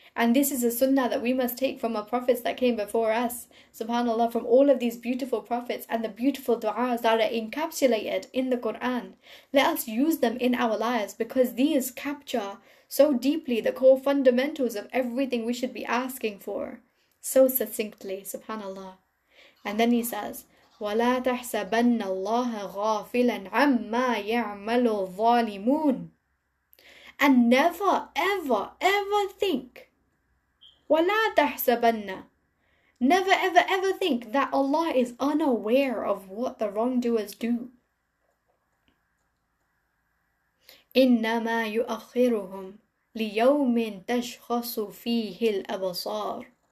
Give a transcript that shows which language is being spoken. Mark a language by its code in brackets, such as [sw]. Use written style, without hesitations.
[en] And this is a sunnah that we must take from our prophets that came before us. Subhanallah, from all of these beautiful prophets and the beautiful du'as that are encapsulated in the Quran. Let us use them in our lives because these capture so deeply the core fundamentals of everything we should be asking for. So succinctly, subhanallah. And then he says, [ar] وَلَا تَحْسَبَنَّ اللَّهَ غَافِلًا عَمَّا يَعْمَلُ الظَّالِمُونَ. [en] And never, ever, ever think. [ar] وَلَا تَحْسَبَنَّ. [en] Never, ever, ever think that Allah is unaware of what the wrongdoers do. [ar] إِنَّمَا يُؤَخِّرُهُمْ لِيَوْمٍ تَشْخَصُ فِيهِ الْأَبْصَارِ.